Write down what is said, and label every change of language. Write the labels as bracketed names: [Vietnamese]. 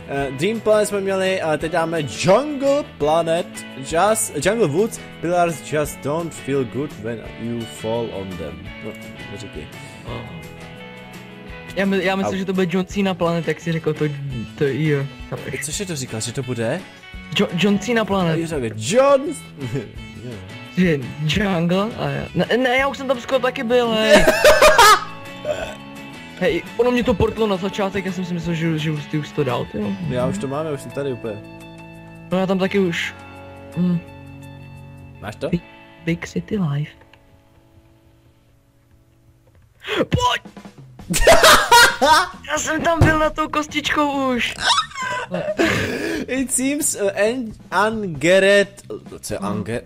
[Czech] Dream Planet jsme měli, a teď dáme Jungle Planet. Jungle Woods. [English] Pillars just don't feel good when you fall on them. [Czech] No, neříkej. Já myslím, že to bude John Cena Planet, jak jsi řekl to jo. Cože to říkal, že to bude? John Cena Planet. Jo, řekl, John... Že Jungle? A jo. Ne, já už jsem tam skoro taky byl, hej. Hej, ono mě to portlo na začátek, já jsem si myslel, že už ty už to dal, ty jo. Já už to mám, já už jsem tady úplně. No já tam taky už... Máš to? [English] Big City Life. [Czech] Pojď! Já jsem tam byl na tou kostičkou už. [English] It seems angered, [Czech] co je angered?